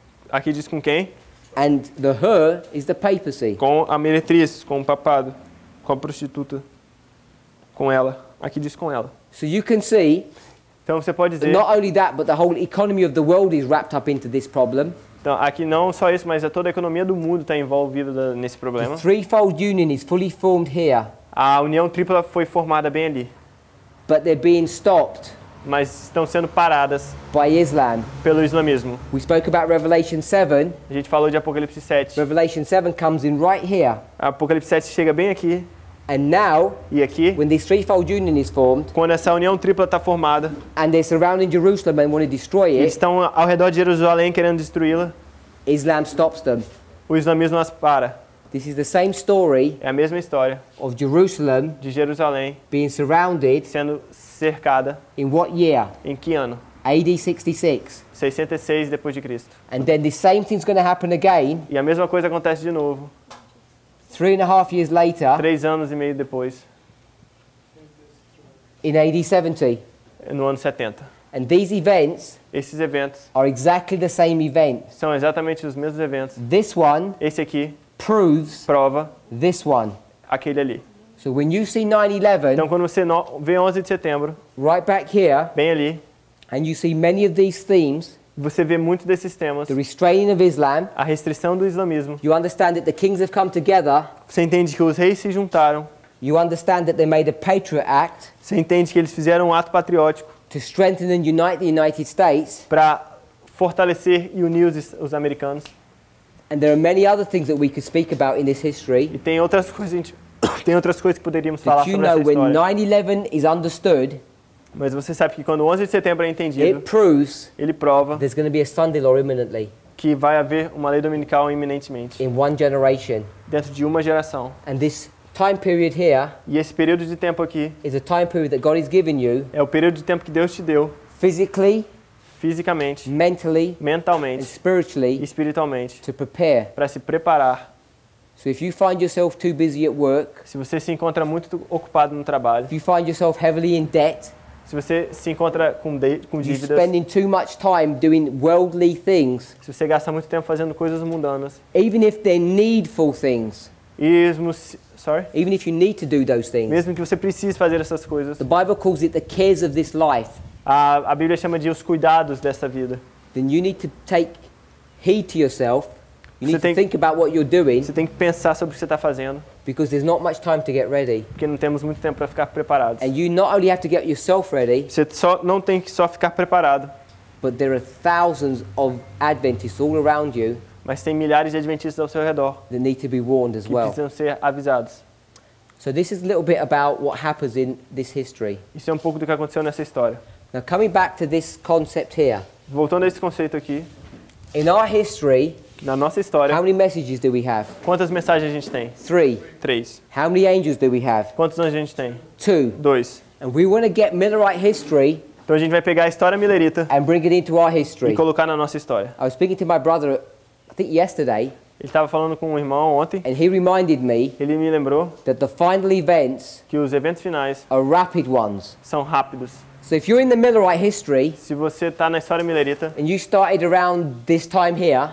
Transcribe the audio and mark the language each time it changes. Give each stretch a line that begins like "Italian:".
Portuguese: Aqui diz com quem?
English: And the her is the papacy.
Portuguese: Com a meretriz, com o papado, com a prostituta, com ela. Aqui diz com ela.
English: So you can see.
Portuguese: Então você pode dizer.
English: Not only that, but the whole economy of the world is wrapped up into this problem.
Portuguese: Então aqui não só isso, mas é toda a economia do mundo está envolvida nesse problema.
English: The threefold union is fully formed here.
Portuguese: A união tripla foi formada bem ali.
English: But they're being stopped.
Portuguese: Mas estão sendo paradas
English: by Islam.
Portuguese: Pelo islamismo.
English: We spoke about Revelation 7.
Portuguese: A gente falou de Apocalipse 7.
English: Revelation 7 comes in right here.
Portuguese: Apocalipse 7 chega bem aqui.
English: And now,
Portuguese: e aqui,
English: when this threefold union is formed,
Portuguese: quando essa união tripla está formada,
English: and they're surrounding Jerusalem and want to destroy it,
Portuguese: eles estão ao redor de Jerusalém querendo destruí-la,
English: Islam stops them.
Portuguese: O islamismo as para.
English: This is the same story,
Portuguese: é a mesma história,
English: of Jerusalem,
Portuguese: de Jerusalém,
English: being surrounded,
Portuguese: sendo cercada.
English: In what year?
Portuguese: Em que ano?
English: AD 66.
Portuguese: 66 depois de Cristo.
English: And then the same thing's going to happen again.
Portuguese: E a mesma coisa acontece de novo.
English: 3.5 years later.
Portuguese: 3 anos e meio depois.
English: In AD 70.
Portuguese: No ano 70.
English: And these events.
Portuguese: Esses eventos.
English: Are exactly the same event.
Portuguese: São exatamente os mesmos eventos.
English: This one.
Portuguese: Esse aqui.
English: Proves.
Portuguese: Prova.
English: This one.
Portuguese: Aquele ali.
English: So when you see 9/11,
Portuguese: então quando você vê 11 de setembro,
English: right back here,
Portuguese: bem ali,
English: and you see many of these themes,
Portuguese: você vê muito desses temas,
English: the restraining of Islam,
Portuguese: a restrição do islamismo,
English: you understand that the kings have come together,
Portuguese: você entende que os reis se juntaram,
English: you understand that they made a patriot act,
Portuguese: você entende que eles fizeram um ato patriótico,
English: to strengthen and unite the United States,
Portuguese: para fortalecer e unir os americanos,
English: and there are many other things that we could speak about in this history.
Portuguese: E tem outras coisas que a gente tem outras coisas que poderíamos falar
English: you
Portuguese: sobre
English: know,
Portuguese: essa história.
English: When 9/11 is understood,
Portuguese: mas você sabe que quando 11 de setembro é entendido,
English: it proves,
Portuguese: ele prova,
English: there's going to be a Sunday law imminently,
Portuguese: que vai haver uma lei dominical iminentemente,
English: in one generation,
Portuguese: dentro de uma geração.
English: And this time period here,
Portuguese: e esse período de tempo aqui,
English: is a time period that God has given you,
Portuguese: é o período de tempo que Deus te deu,
English: physically,
Portuguese: fisicamente,
English: mentally,
Portuguese: mentalmente,
English: and spiritually,
Portuguese: e espiritualmente,
English: to prepare,
Portuguese: para se preparar.
English: So if you find yourself too busy at work,
Portuguese: se você se encontra muito ocupado no trabalho,
English: if you find yourself heavily in debt,
Portuguese: se você se encontra com dívidas,
English: you're spending too much time doing worldly things,
Portuguese: se você gasta muito tempo fazendo coisas mundanas,
English: even if they're needful things, even if you need to do those things,
Portuguese: mesmo que você precise fazer essas coisas,
English: the Bible calls it the cares of this life,
Portuguese: a Bíblia chama de os cuidados dessa vida,
English: then you need to take heed to yourself. You need to think about what you're doing.
Portuguese: Você tem que pensar sobre o que você está fazendo.
English: Because there's not much time to get ready.
Portuguese: Porque não temos muito tempo para ficar preparados.
English: And you not only have to get yourself ready.
Portuguese: Você só não tem que só ficar preparado.
English: But there are thousands of Adventists all around you.
Portuguese: Mas tem milhares de Adventistas ao seu redor.
English: That need to be warned as well.
Portuguese: Que precisam ser avisados.
English: So this is a little bit about what happens in this history.
Portuguese: Isso é um pouco do que aconteceu nessa história.
English: Now coming back to this concept here.
Portuguese: Voltando a esse conceito aqui.
English: In our history.
Portuguese: Na nossa história.
English: How many messages do we have?
Portuguese: Quantas mensagens a gente tem?
English: 3.
Portuguese: 3.
English: How many angels do we have?
Portuguese: Quantos anjos a gente tem?
English: 2.
Portuguese: 2.
English: And we want to get Millerite history.
Portuguese: Então a gente vai pegar a história millerita.
English: And bring it into our history.
Portuguese: E colocar na nossa história.
English: I was speaking to my brother, I think yesterday.
Portuguese: Ele estava falando com um irmão ontem.
English: And he reminded me.
Portuguese: Ele me lembrou.
English: That the final events.
Portuguese: Que os eventos finais.
English: Are rapid ones.
Portuguese: São rápidos.
English: So if you're in the Millerite history.
Portuguese: Se você está na história millerita.
English: And you started around this time here.